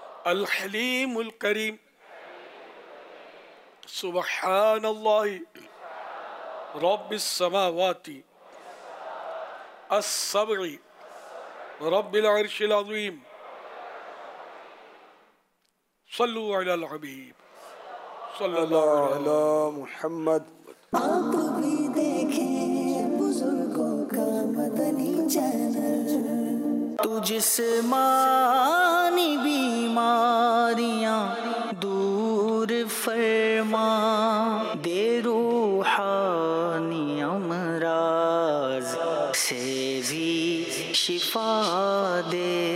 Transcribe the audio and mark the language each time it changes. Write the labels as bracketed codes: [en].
[ar] الحليم الكريم سبحان الله رب السماوات السبع رب العرش العظيم صلوا على الحبيب صلى الله على محمد. [ur] آپ بھی دیکھیں بزرگوں کا مدنی چینل. تو جسمانی بیماریاں دور فرما, دے روحانی امراض سے بھی شفا دے.